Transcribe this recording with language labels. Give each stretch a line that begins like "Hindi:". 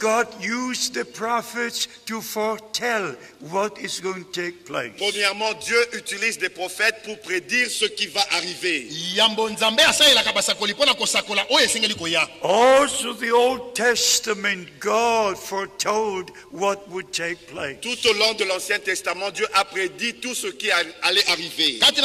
English: God used the prophets to foretell what is going to take place.
French: Premièrement, Dieu utilise des prophètes pour prédire ce qui va arriver.
English: Also, the Old Testament, God foretold what would take place.
French: Tout au long de l'Ancien Testament, Dieu a prédit tout ce qui allait arriver.